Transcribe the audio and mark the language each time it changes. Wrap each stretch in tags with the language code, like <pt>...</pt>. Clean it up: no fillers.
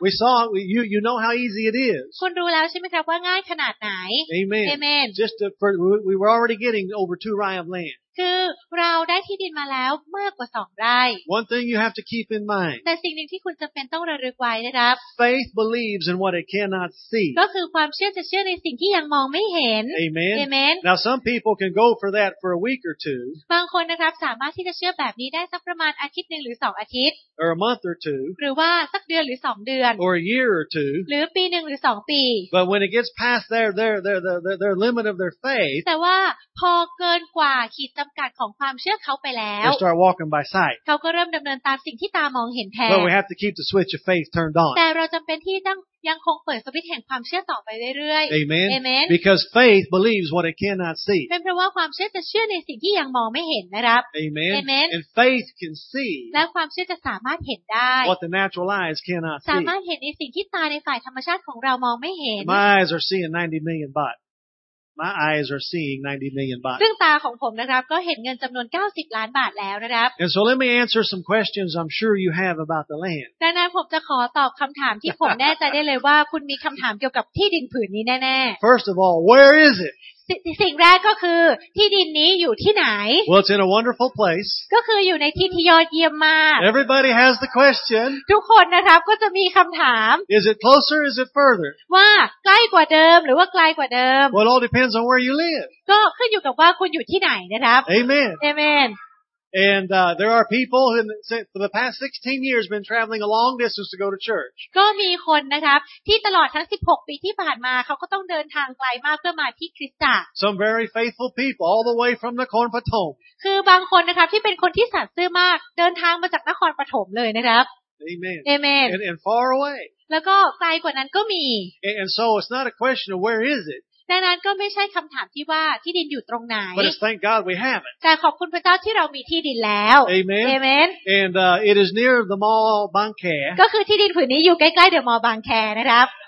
<en>We saw you know how easy it is.</en> <th>คุณรู้แล้วใช่ไหมครับว่าง่ายขนาดไหน</th> <en>Amen. Amen. Just for we were already getting over 2 rai of land.</en> <th>คือเราได้ที่ดินมาแล้วมากกว่า2ไร่</th> <en>One thing you have to keep in mind</en> <th>แต่สิ่งนึงที่คุณจําเป็นต้องระลึกไว้นะครับ</th> <en>Faith believes in what it cannot see</en> <th>ก็คือความเชื่อจะเชื่อในสิ่งที่ยังมองไม่เห็น</th> <en>Amen Amen Now some people can go for that for a week or two</en> <th>บางคนนะครับสามารถที่จะเชื่อแบบนี้ได้สักประมาณอาทิตย์นึงหรือ2อาทิตย์</th> <en>Or a month or two</en> <th>หรือว่าสักเดือนหรือ2เดือน</th> <en>Or a year or two</en> <th>หรือปีนึงหรือ2ปี</th> <en>But when it gets past their limit of their faith</en> <th>แต่ว่าพอเกินกว่าขีดจำกัดของความเชื่อเขาไปแล้ วเขาก็เริ่มดำเนินตามสิ่งที่ตามองเห็นแทน</th> <en>But we have to keep the switch of faith turned on</en> <th>แต่เราจำเป็นที่ต้องยังคงเปิดสวิตช์แห่งความเชื่อต่อไปเรื่อย</th> <en>ๆ Amen. Amen Because faith believes what it cannot see</en> <th>เป็นเพราะว่าความเชื่อจะเชื่อในสิ่งที่ยังมองไม่เห็นนะครับ</th> <en>Amen. Amen And faith can see</en> <th>และความเชื่อจะสามารถเห็นได้</th> <en>What the natural eyes cannot see</en> <th>สามารถเห็นในสิ่งที่ตาในฝ่ายธรรมชาติของเรามองไม่เห็น</th> <en>My eyes are seeing 90 million bottomy eyes are seeing 90 million baht</en> <th>ซึ่งตาของผมนะครับก็เห็นเงินจํานวน90ล้านบาทแล้วนะครับ</th> <en>And so let me answer some questions I'm sure you have about the land</en> <th>ดังนั้นผมจะขอตอบคําถามที่ผมแน่ใจได้เลยว่าคุณมีคําถามเกี่ยวกับที่ดินผืนนี้แน่ๆ</th> <en>First of all where is it</en> <th>สิ่งแรกก็คือที่ดินนี้อยู่ที่ไหน</th> <en>Well, it's in a wonderful place.</en> <th>ก็คืออยู่ในที่ที่ยอดเยี่ยมมาก</th> <en>Everybody has the question.</en> <th>ทุกคนนะครับก็จะมีคำถาม</th> <en>Is it closer? Is it further?</en> <th>ว่าใกล้กว่าเดิมหรือว่าไกลกว่าเดิม</th> <en>Well, it all depends on where you live.</en> <th>ก็ขึ้นอยู่กับว่าคุณอยู่ที่ไหนนะครับ</th> <en>Amen. Amen. And there are people who, for the past 16 years, been traveling a long distance to go to church.</en> <th>ก็มีคนนะครับที่ตลอดทั้ง16ปีที่ผ่านมาเขาก็ต้องเดินทางไกลมากเพื่อมาที่คริสตจักร</th> <en>Some very faithful people, all the way from Nakhon Pathom.</en> <th>คือบางคนนะครับที่เป็นคนที่สัตย์ซื่อมากเดินทางมาจากนครปฐมเลยนะครับ</th> <en>Amen. Amen. And far away.</en> <th>แล้วก็ไกลกว่านั้นก็มี</th> <en>And so it's not a question of where is it.</en> <th>ดังนั้นก็ไม่ใช่คำถามที่ว่าที่ดินอยู่ตรงไหน</th> <en>But it's thank God we have it.</en> <th>แต่ขอบคุณพระเจ้าที่เรามีที่ดินแล้ว</th> <en>Amen. Amen. And it is near the mall Bangkhae.</en> <th>ก็คือที่ดินผืนนี้อยู่ใกล้ๆเดอะมอลล์บางแคนะครับ</th>